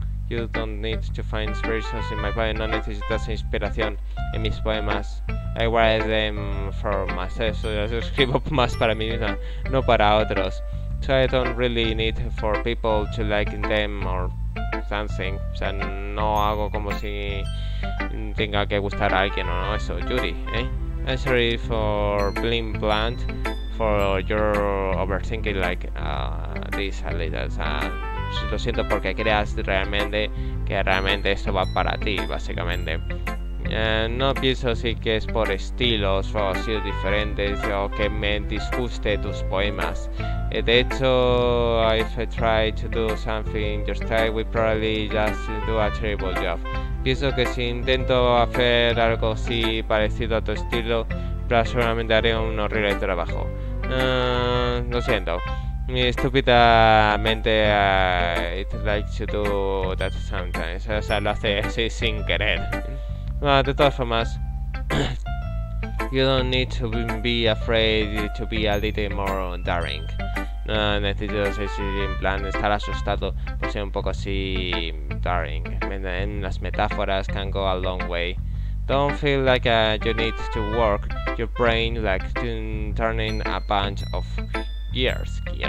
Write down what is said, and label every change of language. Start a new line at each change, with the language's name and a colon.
English: You don't need to find inspirations in my poem.
Spanish: No necesitas inspiración en mis poemas.
English: I write them for myself.
Spanish: So, yo escribo más para mí misma, no para otros.
English: So I don't really need for people to like them or something.
Spanish: O sea, no hago como si tenga que gustar a alguien o no. Eso, Yuri, ¿eh?
English: I'm sorry for being blunt, for your overthinking like this a little.
Spanish: Lo siento porque creas realmente que realmente esto va para ti, básicamente. No pienso si que es por estilos o así diferentes o que me disguste tus poemas. De hecho,
English: if I try to do something your style, we probably just do a terrible job.
Spanish: Pienso que si intento hacer algo así parecido a tu estilo, seguramente haré un horrible trabajo. Lo siento. Mi estúpida mente,
English: it likes to do that sometimes.
Spanish: O sea, lo hace así sin querer. No, de todas formas,
English: you don't need to be afraid to be a little more daring.
Spanish: No, necesito decir, en plan, estar asustado por ser un poco así daring. En las metáforas
English: can go a long way. Don't feel like you need to work your brain like turning a bunch of gears.